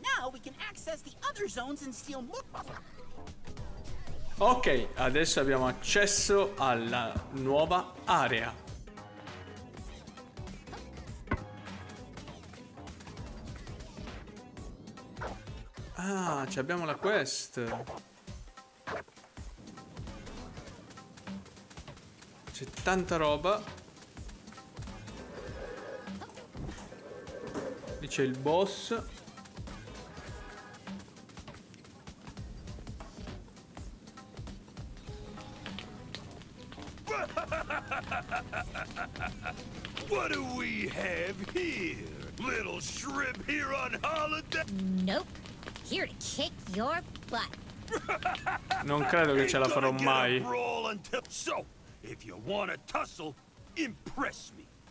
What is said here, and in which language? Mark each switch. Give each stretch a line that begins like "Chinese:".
English: Now we can access the other zones and steal more.
Italian: Ok, adesso abbiamo accesso alla nuova area. Ah, ci abbiamo la quest. C'è tanta roba. Lì c'è il boss.
English: What do we have here? Little shrimp here on holiday? Nope. Here to kick your butt.
Italian: Non credo che ce la farò mai.
English: So, if you want to tussle, impress me.